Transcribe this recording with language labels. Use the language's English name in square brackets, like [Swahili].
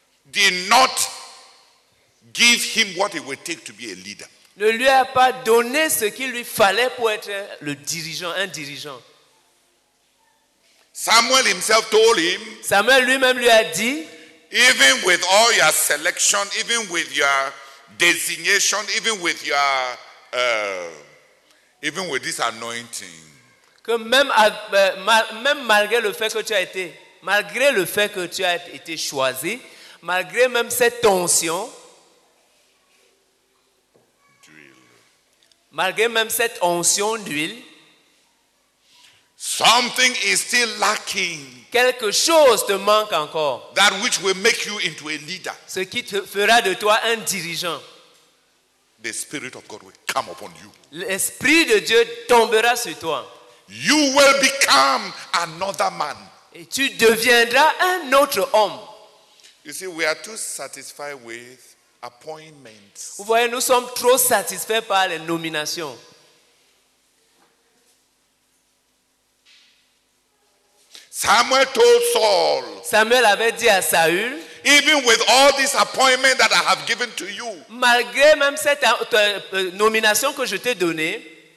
[English] Did not give him what it would take to be a leader. [French] Ne lui a pas donné ce qu'il lui fallait pour être le dirigeant, un dirigeant. [English] Samuel himself told him. [French] Samuel lui-même lui a dit. [English] Even with all your selection, even with your designation, even with your, even with this anointing. [French] Que même malgré le fait que tu as été, malgré le fait que tu as été choisi, malgré même cette tension. Malgré même cette onction d'huile, [English] something is still lacking. [French] Quelque chose te manque encore. [English] That which will make you into a leader. [French] Ce qui te fera de toi un dirigeant. [English] The Spirit of God will come upon you. [French] L'Esprit de Dieu tombera sur toi. [English] You will become another man. [French] Et tu deviendras un autre homme. [English] You see, we are too satisfied with appointments. [French] Vous voyez, nous sommes trop satisfaits par les nominations. [English] Samuel told Saul. [French] Samuel avait dit à Saül. [English] Even with all these appointments that I have given to you. [French] Malgré même cette nomination que je t'ai donnée.